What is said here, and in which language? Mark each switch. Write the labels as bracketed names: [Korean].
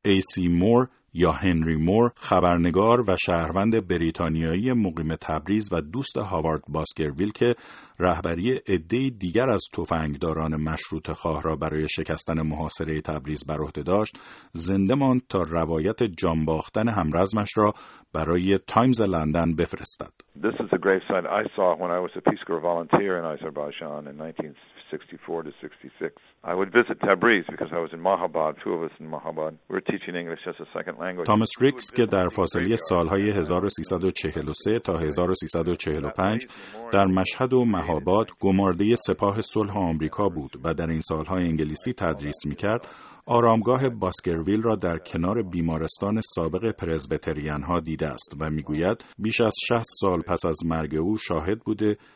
[Persian] ای سی مور یا هنری مور، خبرنگار و شهروند بریتانیایی مقیم تبریز و دوست هاوارد باسکرویل که رهبری عده‌ای دیگر از تفنگداران مشروطه خواه را برای شکستن محاصره تبریز بر عهده داشت، زنده ماند تا روایت جانباختن همرزمش را برای تایمز لندن بفرستد. [English] This is a grave sight I saw when I was a Peace Corps volunteer in Azerbaijan in 1964 to 66. I would visit Tabriz because I was in Mahabad. Two of us in Mahabad. We were teaching English as a second language. [Persian] تامس ریکس که در فاصله سالهای 1343 تا 1345 در مشهد و مهاباد گمارده سپاه صلح آمریکا بود و در این سالها انگلیسی تدریس می‌کرد، آرامگاه باسکرویل را در کنار بیمارستان سابق پرزبیتریان‌ها دیده است و می‌گوید بیش از 60 سال پس از مرگ او شاهد بوده